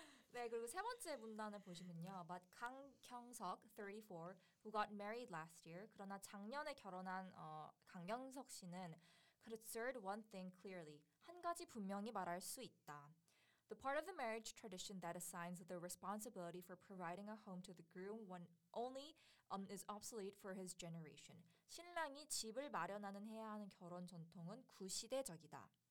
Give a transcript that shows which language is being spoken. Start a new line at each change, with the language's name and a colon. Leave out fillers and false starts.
Korean: 네, 그리고 세 번째 문단을 보시면요.
English: But Kang Kyung-seok, 34, who got married last year.
Korean: 그러나 작년에 결혼한 강경석 씨는
English: could assert one thing clearly.
Korean: 한 가지 분명히 말할 수 있다.
English: The part of the marriage tradition that assigns the responsibility for providing a home to the groom when only is obsolete for his generation.
Korean: 신랑이 집을 마련하는 해야 하는 결혼 전통은 구시대적이다.